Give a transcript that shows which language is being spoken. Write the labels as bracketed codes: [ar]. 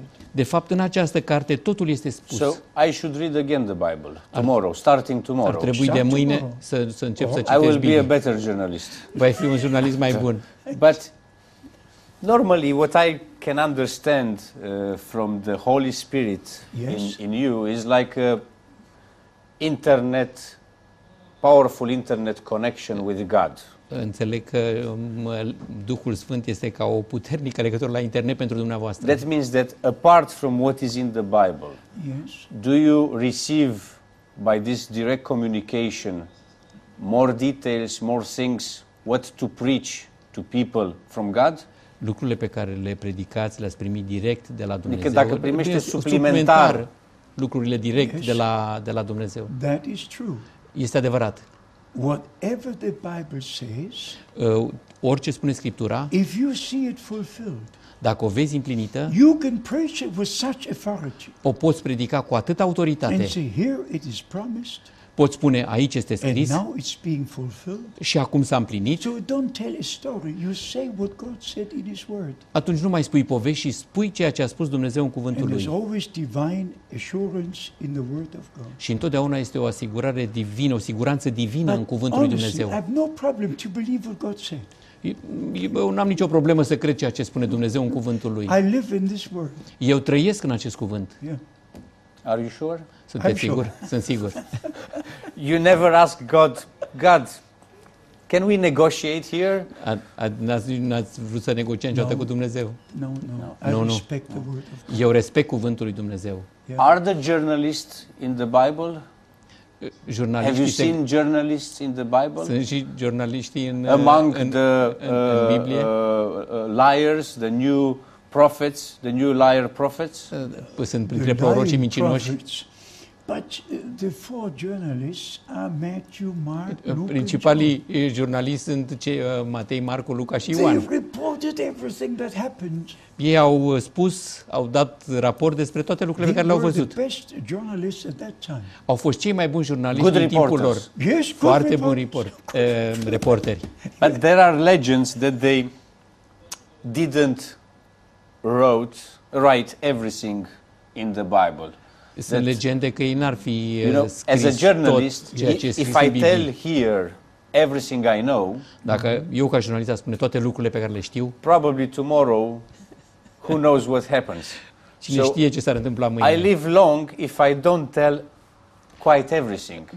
[ro] De fapt, în această carte totul este spus. [en] So I should read again the Bible tomorrow, starting tomorrow. [ro] Ar trebui de mâine să încep să citesc. [en] I will be a better journalist. [ro] Voi fi un jurnalist mai bun. [en] But normally what I can understand from the Holy Spirit in you is like a internet, powerful internet connection with God. [ro] Înțeleg că Duhul Sfânt este ca o puternică legătură la internet pentru dumneavoastră. [en] That means that apart from what is in the Bible, yes, do you receive by this direct communication more details, more things, what to preach to people from God? [ro] Lucrurile pe care le predicați, le-ați primit direct de la Dumnezeu? Adică dacă primește suplimentar lucrurile direct, yes, de la Dumnezeu. [en] That is true. [ro] Este adevărat. [en] Whatever the Bible says, [ro] orice spune Scriptura, [en] if you see it fulfilled, [ro] dacă o vezi împlinită, [en] you can preach it with such authority. [ro] O poți predica cu atâta autoritate. [en] And say, here it is promised. [ro] Poți spune, aici este scris. [en] And now it's being fulfilled. [ro] Și acum s-a împlinit. [en] So don't tell a story. You say what God said in His Word. [ro] Atunci nu mai spui povești și spui ceea ce a spus Dumnezeu în cuvântul [en] and There's always divine assurance in the Word of God. [ro] Și întotdeauna este o asigurare divină, o siguranță divină [en] But [ro] în cuvântul [en] honestly, [ro] lui Dumnezeu. [en] I have no problem to believe what God said. [ro] Eu n-am nicio problemă să cred ceea ce spune Dumnezeu în cuvântul Lui. [en] I live in this Word. [ro] Eu trăiesc în acest cuvânt. [en] Yeah. Are you sure? [ro] Sunteți sigur? Sunt sigur. [en] You never ask God, can we negotiate here? [ro] N-ați vrut să negociați niciodată cu Dumnezeu? [en] No. Respect the word of God. [ro] Eu respect cuvântul lui Dumnezeu. [en] Yeah. Are the journalists in the Bible? [ro] Jurnaliștii. [en] Have you seen journalists in the Bible? [ro] Sunt și jurnaliștii în Biblie? [en] Among the liars, the new prophets, the new liar prophets? [ro] Sunt printre prorocii mincinoși. [en] But the four journalists are Matthew, Mark, Luke. [ro] Principalii jurnaliști sunt cei Matei, Marcu, Luca și Ioan. [en] They reported everything that happened. [ro] Ei au spus, au dat raport despre toate lucrurile pe care le-au văzut. [en] The best journalists at that time. [ro] Au fost cei mai buni jurnaliști din timpul lor. [en] Yes, [ro] foarte buni reporteri. But there are legends that they didn't write everything in the Bible. Sunt legende că ei n-ar fi scris tot ceea ce este scris în Biblie. [en] If I tell here everything I know, [ro] dacă eu ca jurnalist am spune toate lucrurile pe care le știu, [en] probably tomorrow, who knows what happens? [ro] Cine știe ce s-ar întâmpla mâine? [en] I live long if I don't tell quite everything.